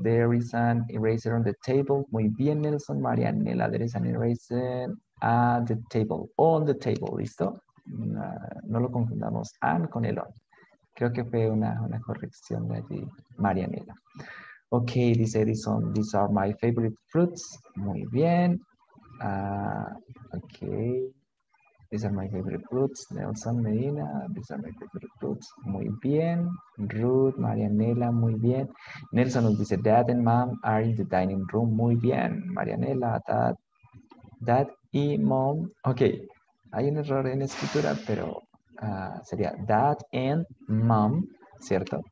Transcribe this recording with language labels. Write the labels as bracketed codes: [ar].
[en] There is an eraser on the table. [es] Muy bien, [en] Nelson, Marianela. There is an eraser at the table. On the table, [es] ¿listo? No lo confundamos and con el on. Creo que fue una corrección de allí, Marianela. [en] Ok, [es] dice [en] Edison, these are my favorite fruits. [es] Muy bien. [en] Ok. These are my favorite fruits. Nelson Medina. These are my favorite fruits. [es] Muy bien. [en] Ruth, Marianela. [es] Muy bien. Nelson nos dice, [en] dad and mom are in the dining room. [es] Muy bien. Marianela, dad y mom. Ok. Hay un error en escritura, pero sería [en] dad and mom, [es] ¿cierto?